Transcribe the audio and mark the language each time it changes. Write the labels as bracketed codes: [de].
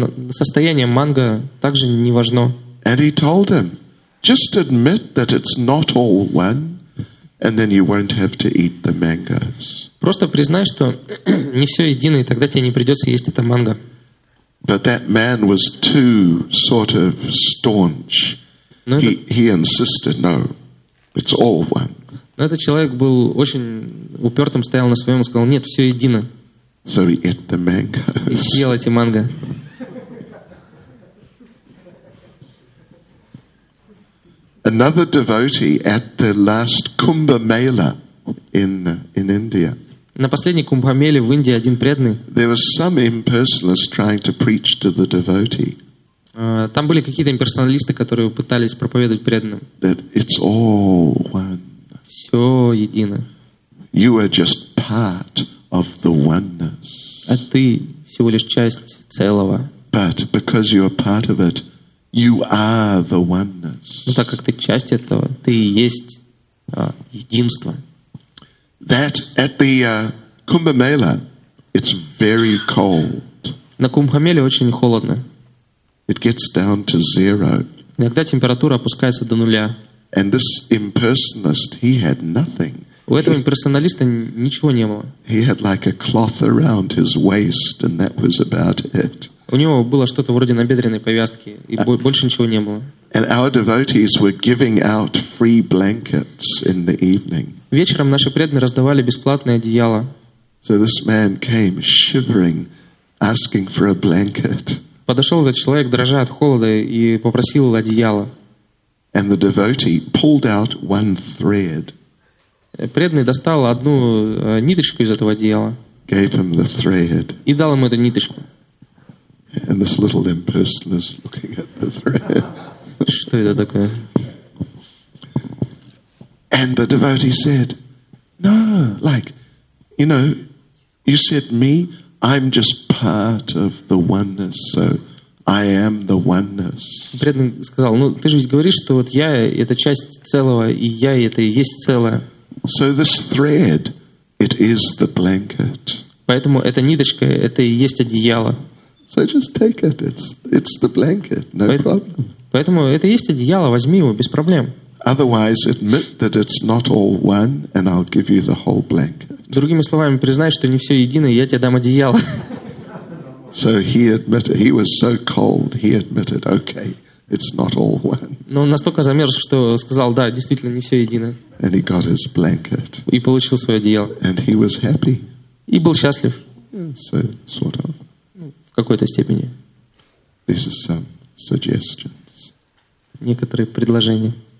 [ru] Состояние манго также не важно. [en] And he told him, just admit that it's not all one, and then you won't have to eat the mangoes. [ru] Просто признай, что не все едино, и тогда тебе не придется есть это манго. [en] But that man was too sort of staunch. He insisted, "No, it's all one." [ru] Но этот человек был очень упертым, стоял на своем и сказал, "Нет, все едино." [en] So he ate the mangoes. [ru] И съел эти манго. [en] Another devotee at the last Kumbh Mela in India. [ru] На последней Кумбхамеле в Индии один преданный. [en] There was some impersonalist trying to preach to the devotee. [ru] Там были какие-то имперсоналисты, которые пытались проповедовать преданным. [en] That it's all one. [ru] Все едино. [en] You are just part of the oneness. [ru] А ты всего лишь часть целого. [en] But because you are part of it, you are the oneness. [ru] Ну так как ты часть этого, ты и есть единство. [en] That at the Kumbh Mela, it's very cold. [ru] На Кумбхамеле очень холодно. [en] It gets down to zero. [ru] Иногда температура опускается до нуля. [en] And this impersonalist, he had nothing. [ru] У этого имперсоналиста ничего не было. [en] He had like a cloth around his waist, and that was about it. [ru] У него было что-то вроде набедренной повязки, и больше ничего не было. [en] And our devotees were giving out free blankets in the evening. [ru] Вечером наши преданные раздавали бесплатное одеяло. [en] So this man came shivering, asking for a blanket. [ru] Подошел этот человек, дрожа от холода, и попросил одеяло. [en] And the devotee pulled out one thread. [ru] Преданный достал одну ниточку из этого одеяла. [en] Gave him the thread. [ru] И дал ему эту ниточку. [en] And this little impersonalist looking at the thread. [ru] Что это такое? [en] And the devotee said, "No, like, you know, you said me, I'm just part of the oneness, so I am the oneness." [ru] Преданный сказал, "Ну, ты же ведь говоришь, что вот я — это часть целого, и я — это и есть целое." [en] So this thread, it is the blanket. [ru] Поэтому эта ниточка — это и есть одеяло. [en] So just take it, it's the blanket, no problem. [ru] Поэтому это и есть одеяло, возьми его, без проблем. [en] Otherwise, admit that it's not all one, and I'll give you the whole blanket. [ru] Другими словами, признай, что не все едино, и я тебе дам одеяло. [en] So he admitted, he was so cold, he admitted, okay, it's not all one. [ru] Но он настолько замерз, что сказал, да, действительно, не все едино. [en] And he got his blanket. [ru] И получил свое одеяло. [en] And he was happy. [ru] И был счастлив. [en] So, sort of. [ru] В какой-то степени. [en] This is some suggestions. [ru] Некоторые предложения.